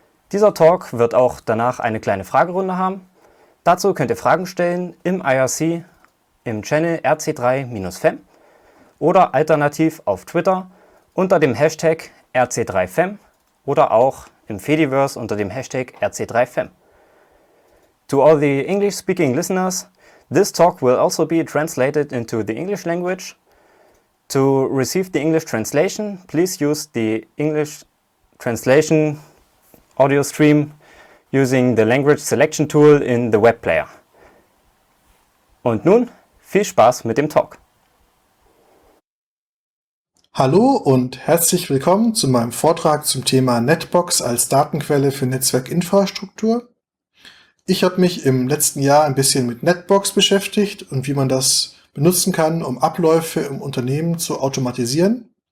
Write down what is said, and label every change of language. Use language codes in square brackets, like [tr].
[de] Dieser Talk wird auch danach eine kleine Fragerunde haben. Dazu könnt ihr Fragen stellen im IRC, im Channel RC3-FEM oder alternativ auf Twitter unter dem Hashtag RC3FEM oder auch im Fediverse unter dem Hashtag RC3FEM. [en] To all the English-speaking listeners, this talk will also be translated into the English language. To receive the English translation, please use the English translation audio stream using the language selection tool in the web player. [de] Und nun viel Spaß mit dem Talk. Hallo und herzlich willkommen zu meinem Vortrag zum Thema Netbox als Datenquelle für Netzwerkinfrastruktur. Ich habe mich im letzten Jahr ein bisschen mit Netbox beschäftigt und wie man das benutzen kann, um Abläufe im Unternehmen zu automatisieren.